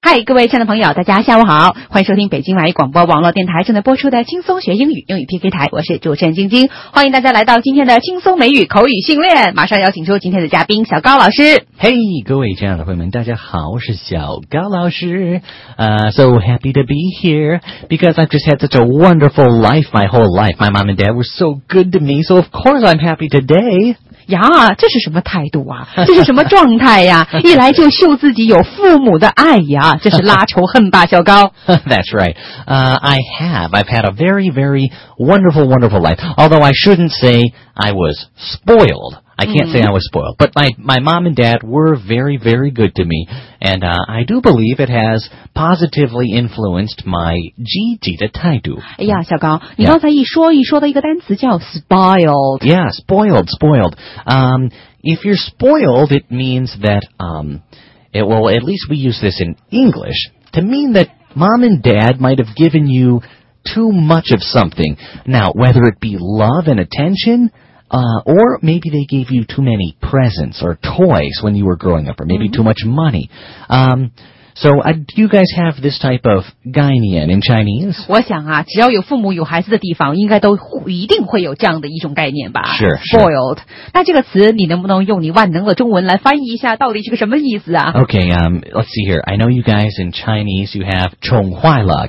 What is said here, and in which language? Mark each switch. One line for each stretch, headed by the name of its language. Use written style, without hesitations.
Chinese: 嗨，各位亲爱的朋友，大家下午好，欢迎收听北京外语广播网络电台正在播出的轻松学英语英语 PK 台，我是主持人晶晶，欢迎大家来到今天的轻松美语口语训练，马上邀请出今天的嘉宾小高老师。 Hey， 各位亲爱的朋友们，大家好，我是小高老师。
English: So happy to be here because I've just had such a wonderful life my whole life. My mom and dad were so good to me, so of course I'm happy today.
Chinese: 呀，这是什么态度啊？这是什么状态呀？一来就秀自己有父母的爱呀，这是拉仇恨吧，小高。
English: That's right. I've had a very, very wonderful, wonderful life. Although I shouldn't say I was spoiled. I can't say I was spoiled. But my mom and dad were very, very good to me. And I do believe it has positively influenced my
Chinese: 积极的态度。哎呀，小高，你刚才一说到一个单词叫 spoiled。
English: Yeah, spoiled, spoiled. If you're spoiled, it means that, at least we use this in English, to mean that mom and dad might have given you too much of something. Now, whether it be love and attention... or maybe they gave you too many presents or toys when you were growing up, or maybe too much money. Do you guys have this type of 概念 in Chinese?
Chinese: 我想啊，只要有父母有孩子的地方，应该都一定会有这样的一种概念吧。是
English: spoiled.
Chinese: 那这个词你能不能用你万能的中文来翻译一下，到底是个什么意思啊？
English: Okay, let's see here. I know you guys in Chinese, you have
Chinese: 宠坏了。